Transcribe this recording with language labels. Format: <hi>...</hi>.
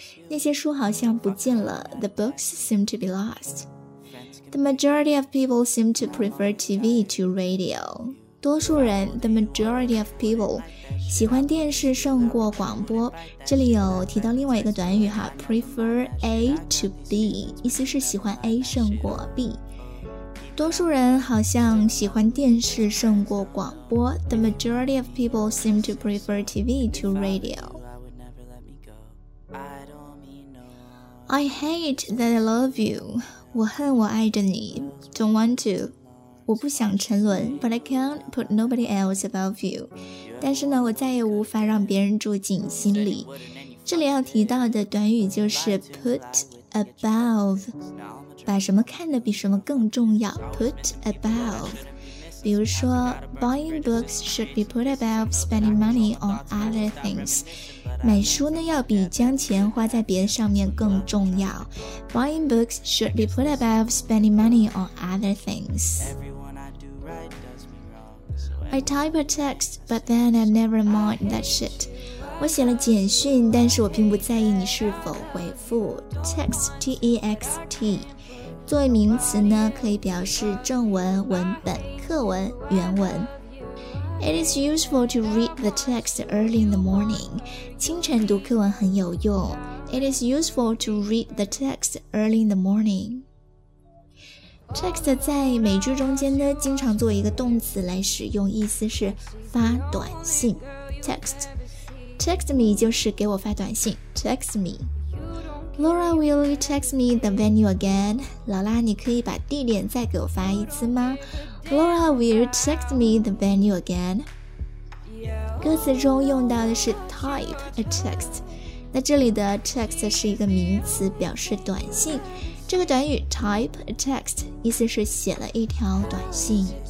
<zh>那些书好像不见了</zh> <en>The books seem to be lost. The majority of people seem to prefer TV to radio.</en> <zh>多数人</zh> <en>The majority of people</en> <zh>喜欢电视胜过广播。这里有提到另外一个短语哈</zh> <en>Prefer A to B，</en> <zh>意思是喜欢 A 胜过 B。多数人好像喜欢电视胜过广播。</zh> <en>The majority of people seem to prefer TV to radio. I hate that I love you.</en> <zh>我恨我爱着你。</zh> <en>Don't want to.</en> <zh>我不想沉沦。</zh> <en>But I can't put nobody else above you.</en> <zh>但是呢，我再也无法让别人住进心里。这里要提到的短语就是</zh> <en>put above，</en> <zh>把什么看得比什么更重要。</zh> <en>Put above。</en> <zh>比如说</zh> <en>Buying books should be put above spending money on other things，</en> <zh>买书呢要比将钱花在别的上面更重要。</zh> <en>Buying books should be put above spending money on other things. I type a text but then I never mind that shit.</en> <zh>我写了简讯，但是我并不在意你是否回复。 Text T-E-X-T 作为名词呢，可以表示正文、文本、课文、原文。</zh> <en>It is useful to read the text early in the morning.</en> <zh>清晨读课文很有用。</zh> <en>It is useful to read the text early in the morning.</en> <zh>Text 在美句中间呢，经常做一个动词来使用，意思是发短信。</zh> <en>Text Text me</en> <zh>就是给我发短信。</zh> <en>Text meLaura, will you text me the venue again?</en> <zh>劳拉，你可以把地点再给我发一次吗？</zh> <en>Laura, will you text me the venue again?</en> <zh>歌词中用到的是</zh> <en>type a text，</en> <zh>那这里的 text 是一个名词，表示短信。这个短语</zh> <en>type a text</en> <zh>意思是写了一条短信。</zh>